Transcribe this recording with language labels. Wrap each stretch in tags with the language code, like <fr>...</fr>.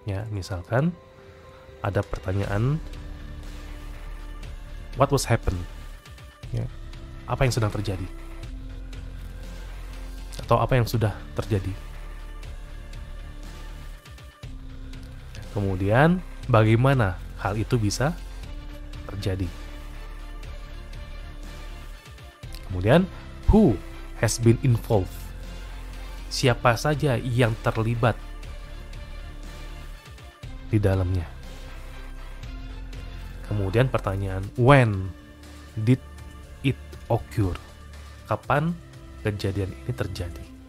<id>Misalkan, ada pertanyaan,</id> <en>what was happened?</en> <id>Ya, apa yang sedang terjadi? Atau apa yang sudah terjadi? Kemudian, bagaimana hal itu bisa terjadi?</id> <en>Kemudian, who has been involved?</en> <id>Siapa saja yang terlibat di dalamnya? Kemudian pertanyaan,</id> <en>when did it occur?</en> <id>Kapan kejadian ini terjadi?</id>